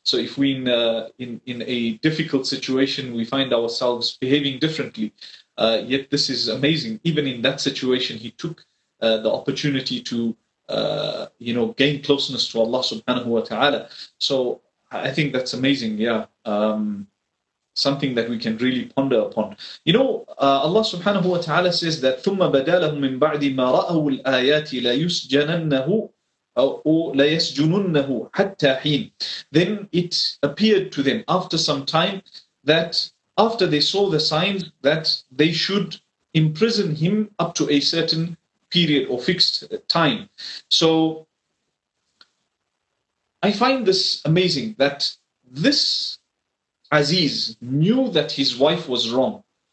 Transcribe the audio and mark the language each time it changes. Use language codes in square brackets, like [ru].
[en] So if we in a difficult situation, we find ourselves behaving differently. Yet this is amazing. Even in that situation, he took the opportunity to, you know, gain closeness to Allah subhanahu wa ta'ala. So I think that's amazing. Yeah. Something that we can really ponder upon. You know, Allah subhanahu wa ta'ala says that [ar] ثُمَّ بَدَالَهُ مِنْ بَعْدِ مَا رَأَهُ الْآيَاتِ لَيُسْجَنَنَّهُ حَتَّى حِينَ. [en] Then it appeared to them after some time that after they saw the signs, that they should imprison him up to a certain period or fixed time. So I find this amazing, that this Aziz knew that his wife was wrong.